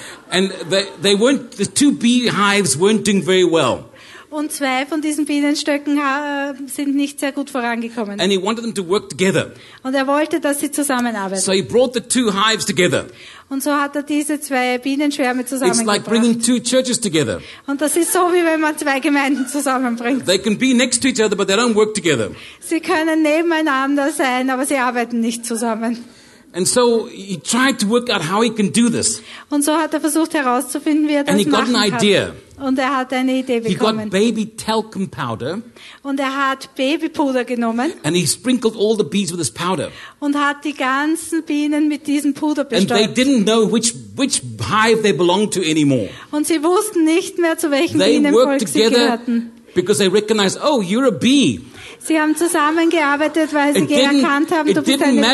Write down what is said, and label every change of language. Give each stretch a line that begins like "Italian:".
English: And the two beehives weren't doing very well.
German: Und zwei von diesen Bienenstöcken sind nicht sehr gut vorangekommen.
English: And he wanted them to work together.
German: Und er wollte, dass sie zusammenarbeiten.
English: So he brought the two hives together.
German: Und so hat er diese zwei Bienenschwärme zusammengebracht.
English: It's like bringing two churches together.
German: Und das ist so, wie wenn man zwei Gemeinden zusammenbringt.
English: They can be next to each other, but they don't work together.
German: Sie können nebeneinander sein, aber sie arbeiten nicht zusammen.
English: And so he tried to work out how he can do this.
German: Und so hat er versucht herauszufinden, wie er das machen kann.
English: And he got an idea.
German: Und er hat eine Idee bekommen.
English: He got baby talcum powder.
German: Und er hat Babypuder genommen.
English: And he sprinkled all the bees with this powder.
German: Und hat die ganzen Bienen mit diesem Puder bestäubt.
English: And they didn't know which hive they belonged to anymore.
German: Und sie wussten nicht mehr, zu welchem Bienenvolk sie gehörten.
English: They worked together because they recognized, oh, you're a bee.
German: Sie haben zusammengearbeitet, weil sie erkannt haben, du bist eine Biene.